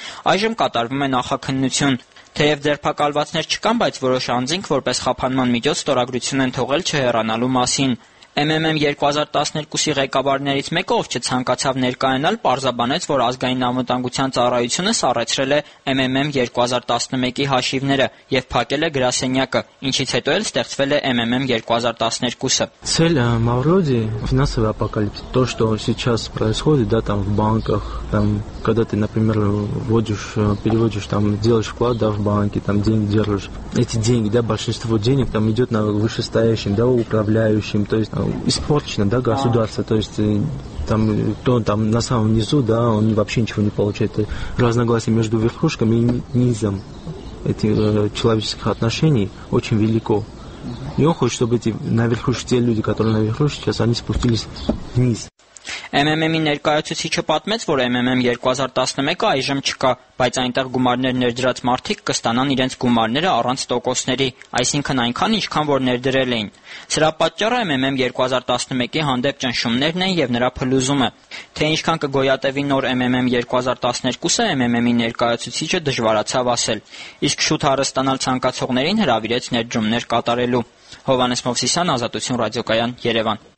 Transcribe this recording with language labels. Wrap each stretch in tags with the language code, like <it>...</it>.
<hy>Այժմ կատարվում է նախաքննություն։ Թեև ձերբակալվածներ չկան, բայց որոշ անձինք որպես խափանման միջոց ստորագրություն են թողել չհեռանալու մասին։ MMM 2012-ի ղեկավարներից մեկը, ով չցանկացավ ներկայանալ, պարզաբանեց, որ ազգային անվտանգության ծառայությունը սառեցրել է MMM 2011-ի հաշիվները և փակել է գրասենյակը, ինչից հետո էլ ստեղծվել է MMM 2012-ը։</hy> <ru>Цель Мавроди финансовый апокалипсис. То, что сейчас происходит, да, там в банках, там, когда ты, например, вводишь, переводишь, там, делаешь вклад, да, в банке, там, деньги держишь. Эти деньги, да, большинство денег там идёт на вышестоящим, да, управляющим, то есть испорчено, да, государство, то есть там кто там на самом низу, да, он вообще ничего не получает. Разногласия между верхушками и низом этих человеческих отношений очень велико. И он хочет, чтобы эти наверхушки, те люди, которые наверху сейчас, они спустились вниз.</ru> <hy>MMM-ի ներկայացուցիչը պատմեց, որ MMM 2011-ը այժմ չկա, բայց այնտեղ գումարներ ներդրած մարդիկ կստանան իրենց գումարները առանց տոկոսների, այսինքն այնքան, ինչքան որ ներդրել էին։ Սրա պատճառը MMM 2011-ի հանդեպ ճնշումներն են և նրա փլուզումը։ Թե ինչքան կգոյատևի նոր MMM 2012-ը, MMM-ի ներկայացուցիչը դժվարացավ ասել, իսկ շուտ հարստանալ ցանկացողներին հրավիրեց ներդրումներ կատարելու։ Հովհանես Մովսիսյան, Ազատություն ռադիոկայան, Երևան։</hy>